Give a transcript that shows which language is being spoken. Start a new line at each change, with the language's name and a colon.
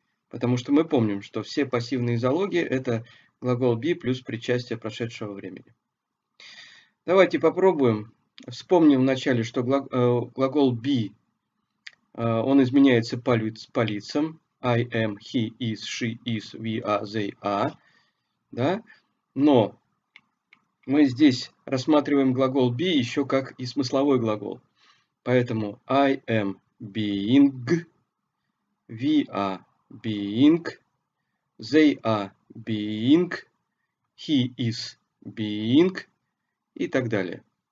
Russian: Потому что мы помним, что все пассивные залоги – это глагол be плюс причастие прошедшего времени. Давайте попробуем. Вспомним вначале, что глагол be, он изменяется по лицам.
English: I am, he is, she is, we are, they are.
Russian: Да? Но мы здесь рассматриваем глагол be еще как и смысловой глагол. Поэтому
English: I am being, we are being, they are being, he is being
Russian: и так далее.